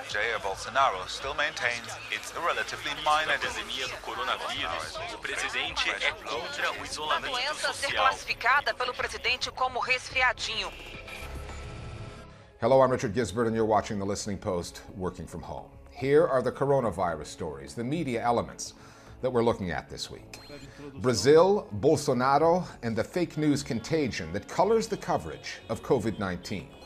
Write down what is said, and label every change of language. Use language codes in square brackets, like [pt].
[en] Jair Bolsonaro still maintains it's a relatively minor [pt] pandemia do coronavírus. O presidente contra o isolamento social. A doença ser classificada pelo presidente como resfriadinho. [en] Hello, I'm Richard Gisbert, and you're watching The Listening Post, working from home. Here are the coronavirus stories, the media elements that we're looking at this week. Brazil, Bolsonaro, and the fake news contagion that colors the coverage of COVID-19.